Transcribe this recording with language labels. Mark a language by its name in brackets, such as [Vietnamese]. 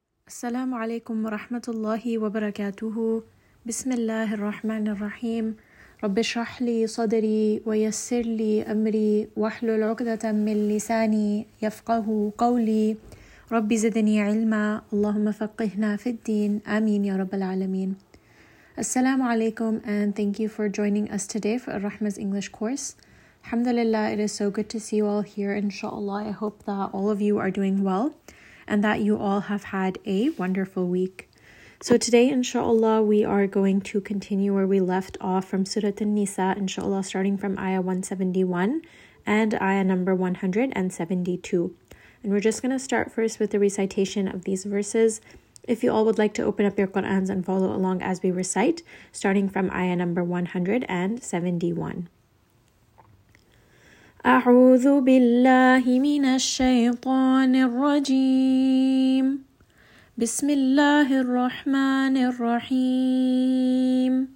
[Arabic] السلام عليكم ورحمة الله وبركاته. بسم الله الرحمن الرحيم. رب اشرح لي صدري ويسر لي أمري واحلل عقدة من لساني يفقه قولي. رب زدني علما، اللهم فقهنا في الدين، آمين يا رب العالمين. السلام عليكم [English] and thank you for joining us today for Rahma's English course. Alhamdulillah, it is so good to see you all here. Inshallah, I hope that all of you are doing well and that you all have had a wonderful week. So today, inshallah, we are going to continue where we left off from Surah An-Nisa, inshallah, starting from ayah 171 and ayah number 172. And we're just going to start first with the recitation of these verses. If you all would like to open up your Qur'ans and follow along as we recite, starting from ayah number 171. [Arabic] أعوذ بالله من الشيطان الرجيم بسم الله الرحمن الرحيم